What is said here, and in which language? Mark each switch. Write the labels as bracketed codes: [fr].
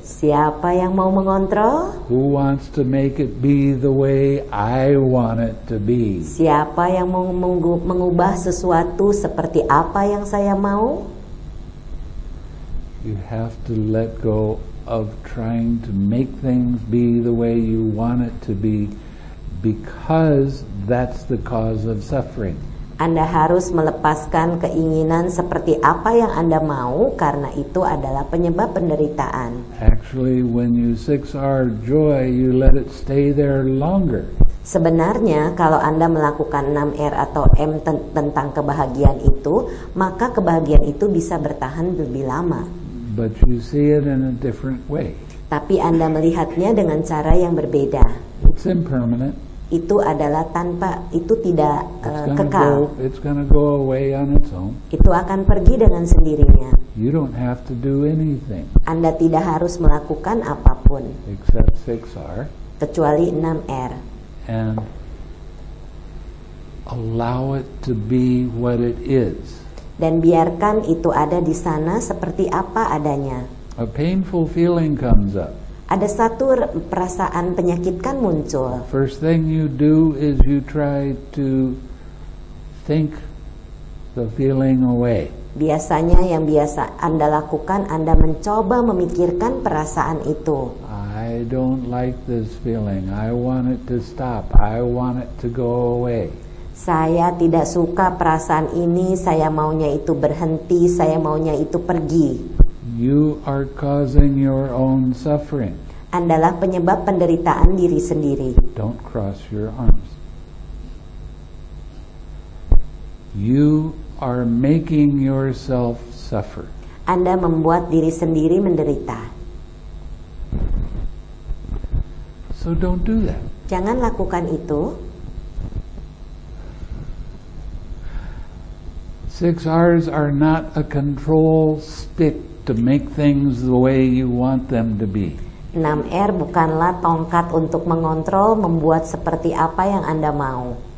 [id] Siapa yang mau mengontrol? [en] Who wants to make it be the way I want it to be? [id] Siapa yang mau mengubah sesuatu seperti apa yang saya mau? [en] You have to let go of trying to make things be the way you want it to be, because that's the cause of suffering. [id] Anda harus melepaskan keinginan seperti apa yang Anda mau karena itu adalah penyebab penderitaan. [en] Actually, when you 6R joy, you let it stay there longer. [id] Sebenarnya, kalau Anda melakukan 6R atau M tentang kebahagiaan itu, maka kebahagiaan itu bisa bertahan lebih lama. [en] But you see it in a different way. [id] Tapi Anda melihatnya dengan cara yang berbeda. [en] It's impermanent. [id] Itu adalah tanpa, itu tidak kekal. [en] It's gonna go away on its own. [id] Itu akan pergi dengan sendirinya. [en] You don't have to do anything. [id] Anda tidak harus melakukan apapun. [en] Except 6R. [id] Kecuali 6R. [en] And allow it to be what it is. [id] Dan biarkan itu ada di sana seperti apa adanya. [en] A painful feeling comes up. [id] Ada satu perasaan penyakit kan muncul. [en] First thing you do is you try to think the feeling away. [id] Biasanya yang biasa Anda lakukan, Anda mencoba memikirkan perasaan itu. [en] I don't like this feeling. I want it to stop. I want it to go away. [id] Saya tidak suka perasaan ini. Saya maunya itu berhenti. Saya maunya itu pergi. [en] You are causing your own suffering. [id] Andalah penyebab penderitaan diri sendiri. [en] Don't cross your arms. You are making yourself suffer. [id] Anda membuat diri sendiri menderita. [en] So don't do that. [id] Jangan lakukan itu. [en] 6Rs are not a control stick to make things the way you want them to be. [id] 6R bukanlah tongkat untuk mengontrol, membuat seperti apa yang Anda mau.